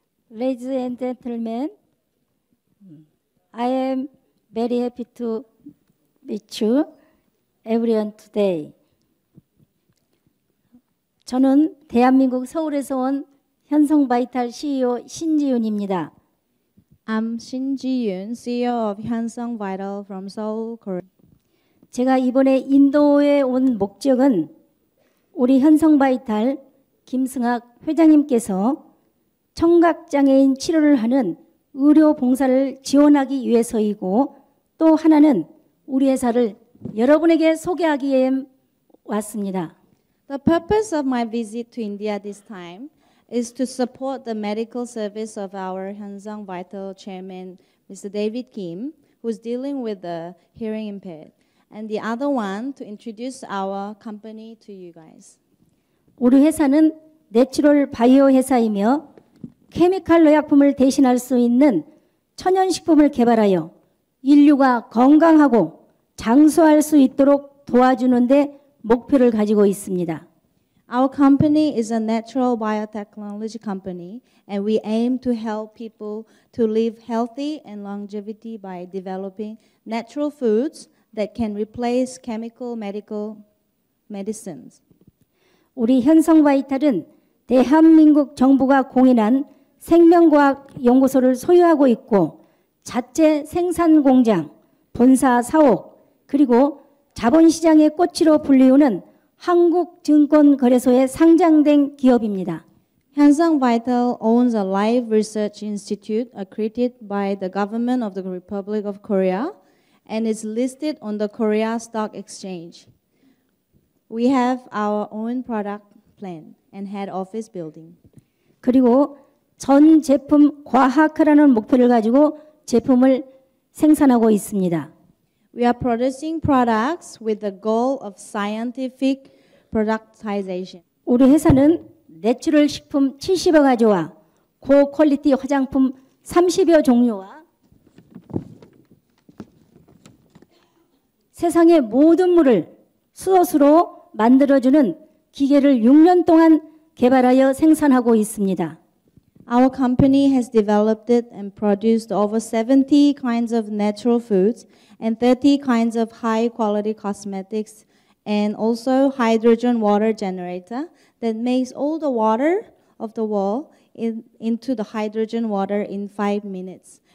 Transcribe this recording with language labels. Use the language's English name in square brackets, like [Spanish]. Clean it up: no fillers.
[English] Ladies and gentlemen, I am very happy to meet you, everyone today. [Korean] 저는 대한민국 서울에서 온 현성 바이탈 CEO 신지윤입니다. [English] I'm Shin Ji-yoon, CEO of Hyun Sung Vital from Seoul, Korea. [Korean] 제가 이번에 인도에 온 목적은 우리 현성 바이탈 김승학 회장님께서 청각장애인 치료를 하는 의료 봉사를 지원하기 위해서이고 또 하나는 우리 회사를 여러분에게 소개하기 위해 왔습니다. [English] The purpose of my visit to India this time is to support the medical service of our Hyun Sung Vital chairman, Mr. David Kim, who's dealing with the hearing impaired, and the other one to introduce our company to you guys. [Korean] 우리 회사는 내추럴 바이오 회사이며 케미칼 의약품을 대신할 수 있는 천연식품을 개발하여 인류가 건강하고 장수할 수 있도록 도와주는 데 목표를 가지고 있습니다. [English] Our company is a natural biotechnology company and we aim to help people to live healthy and longevity by developing natural foods that can replace chemical medical medicines. [Korean] 우리 현성 바이탈은 대한민국 정부가 공인한 생명과학 연구소를 소유하고 있고 자체 생산 공장, 본사 사옥, 그리고 자본 시장의 꽃으로 불리우는 한국 증권 거래소에 상장된 기업입니다. [English] Hyun Sung Vital owns a live research institute accredited by the government of the Republic of Korea and is listed on the Korea Stock Exchange. We have our own product plan and head office building. [Korean] 그리고 전 제품 과학화라는 목표를 가지고 제품을 생산하고 있습니다. [English] We are producing products with the goal of scientific productization. [Korean] 우리 회사는 내추럴 식품 70여 가지와 고퀄리티 화장품 30여 종류와 세상의 모든 물을 스스로 만들어주는 기계를 6년 동안 개발하여 생산하고 있습니다. [English] Our company has developed and produced over 70 kinds of natural foods and 30 kinds of high-quality cosmetics and also hydrogen water generator that makes all the water of the world into the hydrogen water in 5 minutes.